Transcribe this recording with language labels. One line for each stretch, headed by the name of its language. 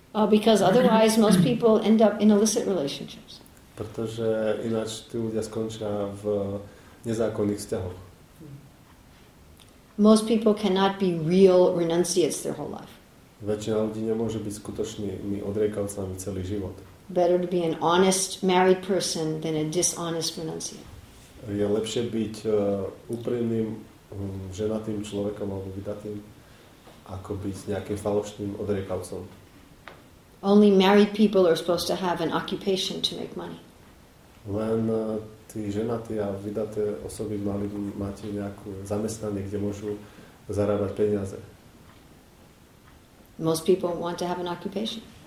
English: Because otherwise most people end up in illicit relationships.
Slovak: Pretože ináč tí ľudia skončia v nezákonných vzťahoch.
English: Most people cannot be real renunciates their whole life.
Slovak: Väčšina ľudí nemôže byť skutočnými odriekavcami celý život.
English: Better to be an honest married person than a dishonest renunciate.
Slovak: Je lepšie byť úprimným ženatým človekom alebo vydatým, ako byť nejakým falošným odriekavcom.
English: Only married people are supposed to have an occupation to make money.
Slovak: Len tí ženatí a vydaté osoby mali by mať nejakú zamestnanie, kde môžu zarábať peniaze.
English: Most people want to have an occupation.